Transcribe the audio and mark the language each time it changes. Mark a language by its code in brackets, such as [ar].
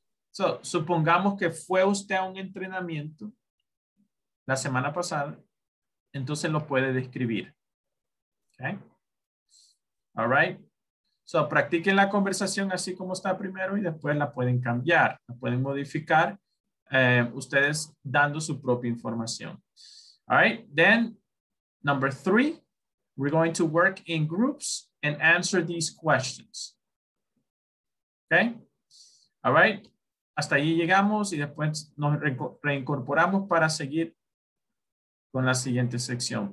[es] So, supongamos que fue usted a un entrenamiento la semana pasada, entonces lo puede describir. [en] Okay. All right. [es] So, practiquen la conversación así como está primero y después la pueden cambiar, la pueden modificar ustedes dando su propia información. [en] All right. Then, number three, we're going to work in groups and answer these questions. Okay. All right. [es] Hasta ahí llegamos y después nos reincorporamos para seguir con la siguiente sección.